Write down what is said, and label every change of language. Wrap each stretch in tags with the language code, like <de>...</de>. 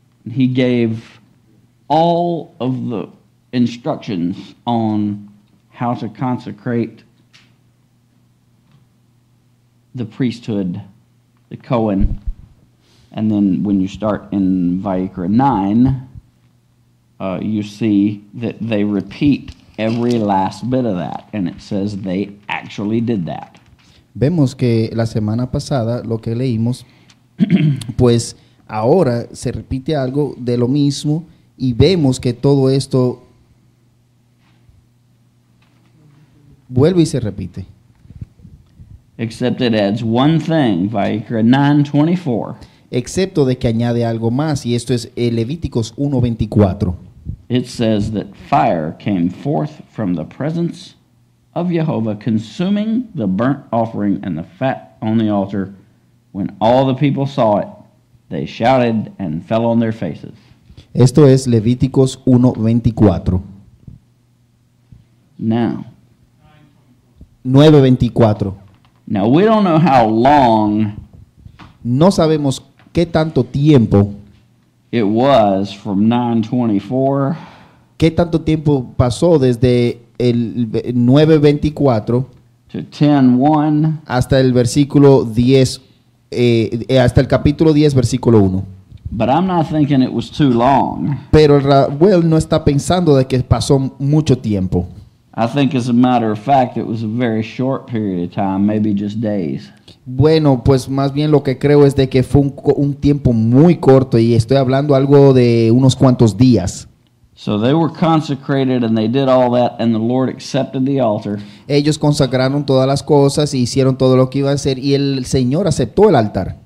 <en>He gave all of the instructions on how to consecrate the priesthood, the Kohen, and then when you start in Vayikra 9, you see that they repeat every last bit of that, and it says they actually did that.</en> <es>Vemos que la semana pasada lo que leímos, pues ahora se repite algo de lo mismo, y vemos que todo esto vuelve y se repite.</es> <en>Except it adds one thing, Vayikra 9:24.</en> <es>Excepto de que añade algo más, y esto es Levíticos 1:24.</es> <en>It says that fire came forth from the presence of Jehovah, consuming the burnt offering and the fat on the altar. When all the people saw it, they shouted and fell on their faces.</en> <es>Esto es Levíticos 1:24.</es> <en>Now, 9:24. Now we don't know how long.</en> <es>No sabemos qué tanto tiempo.</es> <en>It was from 9:24.</en> <es>Qué tanto tiempo pasó desde el 9:24</es> <en>to 10:1</en> <es>hasta el versículo 10, hasta el capítulo 10, versículo 1.</es> <en>But I'm not thinking it was too long.</en> <es>Pero Raúl no está pensando de que pasó mucho tiempo.</es> <en>I think, as a matter of fact, it was a very short period of time, maybe just days.</en> <es>Bueno, pues más bien lo que creo es de que fue un tiempo muy corto, y estoy hablando algo de unos cuantos días.</es> <en>So they were consecrated and they did all that, and the Lord accepted the altar.</en> <es>Ellos consagraron todas las cosas y hicieron todo lo que iba a hacer, y el Señor aceptó el altar.</es>